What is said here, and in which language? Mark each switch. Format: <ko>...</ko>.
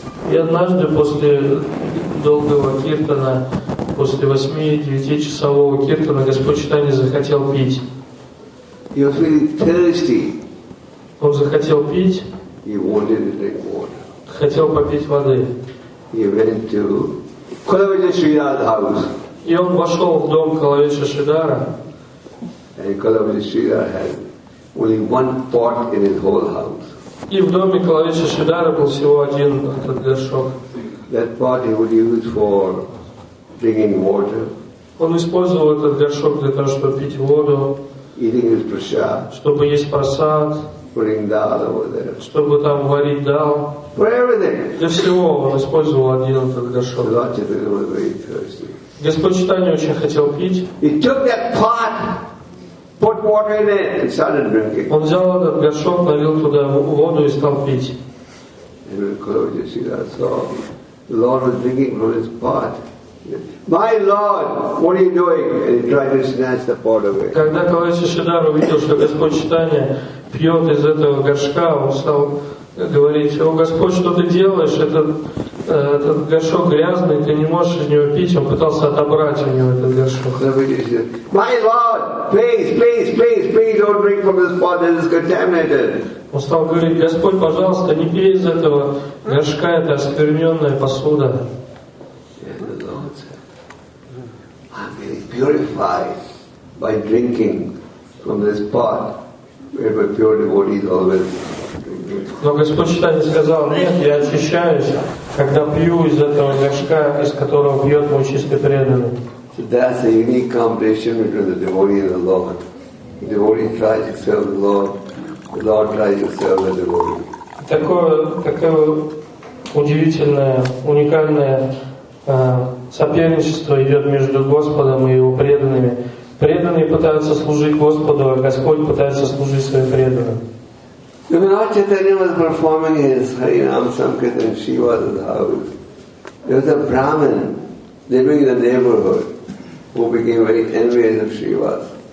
<ru>И однажды после долгого киртана, после 8-9-часового киртана, Господь Чайтанья захотел пить.</ru> <en>He was feeling thirsty.</en> <ru>Он захотел пить.</ru> <en>He wanted to drink water.</en> <ru>Хотел попить воды.</ru> <en>He went to Kulavija Sridhara's house.</en> <ru>И он вошел в дом Калавиджа Шридхара.</ru> <en>And Kulavija Sridhara had only one pot in his whole house.</en> <ru>И в доме Калавиджа Шридхара был всего один этот горшок.</ru> <en>That pot he would use for drinking water.</en> <ru>Он использовал этот горшок для того, чтобы пить воду.</ru> <en>Eating his prasad.</en> <ru>Чтобы есть прасад.</ru> <en>Putting dal over there.</en> <ru>Чтобы там варить дал.</ru> <en>For everything.</en> <ru>Для всего он использовал один этот горшок.</ru> <en>Lord Chaitanya was very thirsty.</en> <ru>Господь Чайтанья очень хотел пить.</ru> <en>He took that pot. Put water in it and started drinking.</en> <ru>Он взял этот горшок, налил туда воду и стал пить.</ru> <en>And when Kulavija Sridhara saw the Lord was drinking from his pot, my Lord, what are you doing? And he tried to snatch the pot away.</en> <ru>Когда Кулавиджа Шридхара увидел, что Господь Чайтанья пьет из этого горшка, он стал говорить: «О Господь, что ты делаешь? Этот горшок грязный, ты не можешь из него пить». Он пытался отобрать у него этот горшок.</ru> <en>My Lord, please, please, please, please don't drink from this pot, it is contaminated.</en> <ru>Он стал говорить: «Господь, пожалуйста, не пей из этого горшка, это оскверненная посуда».</ru> <en>And the Lord said, I'm getting purified by drinking from this pot where my pure devotees always drink.</en> <ru>Но Господь Чайтанья сказал: «Нет, я очищаюсь, когда пью из этого горшка, из которого пьет мой чистый преданный».</ru> <en>So that's a unique combination between the devotee and the Lord. The devotee tries to serve the Lord. The Lord tries to serve the devotee.</en> <ru>Такое удивительное, уникальное соперничество идет между Господом и его преданными. Преданные пытаются служить Господу, а Господь пытается служить своим преданным.</ru> <en>When Lord Chaitanya was performing his Harinam Sankirtan in Shiva's house, there was a Brahmin living in the neighborhood who became very envious of Shiva.</en>